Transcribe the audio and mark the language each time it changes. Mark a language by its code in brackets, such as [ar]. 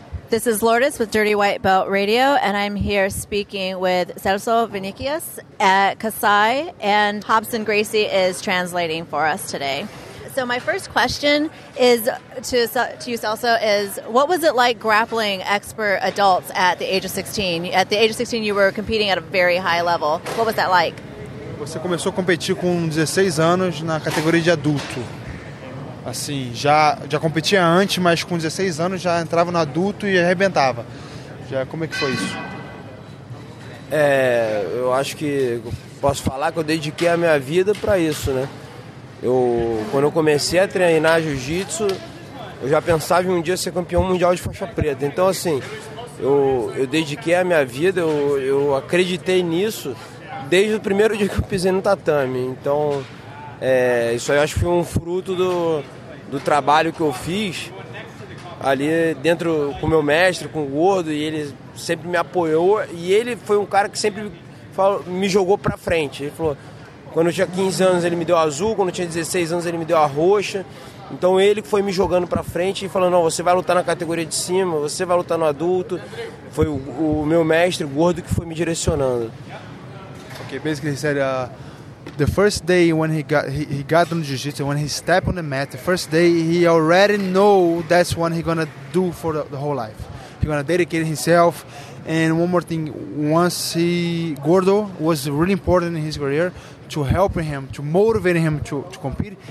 [en] This is Lourdes with Dirty White Belt Radio, and I'm here speaking with Celso Vinicius at KASAI, and Hobson Gracie is translating for us today. So my first question is to you, Celso, is what was it like grappling expert adults at the age of 16? At the age of 16, you were competing at a very high level. What was that like? [pt] Você começou a competir com 16 anos na categoria de adulto. Assim, já competia antes, mas com 16 anos já entrava no adulto e arrebentava. Já, como é que foi isso? É, eu acho que posso falar que eu dediquei a minha vida para isso, né? Quando eu comecei a treinar jiu-jitsu, eu já pensava em um dia ser campeão mundial de faixa preta. Então, assim, eu dediquei a minha vida, eu acreditei nisso desde o primeiro dia que eu pisei no tatame. Então, isso aí eu acho que foi um fruto do trabalho que eu fiz ali dentro com o meu mestre, com o Gordo, e ele sempre me apoiou. E ele foi um cara que sempre me jogou pra frente. Ele falou, quando eu tinha 15 anos ele me deu azul, quando eu tinha 16 anos ele me deu a roxa. Então ele foi me jogando pra frente e falando, não, você vai lutar na categoria de cima, você vai lutar no adulto. Foi o meu mestre, o Gordo, que foi me direcionando. [en] Ok, basically he said, the first day when he got on jiu-jitsu, when he stepped on the mat, the first day he already know that's what he's gonna do for the whole life. He's gonna dedicate himself. And one more thing, once he, Gordo was really important in his career to help him, to motivate him to compete.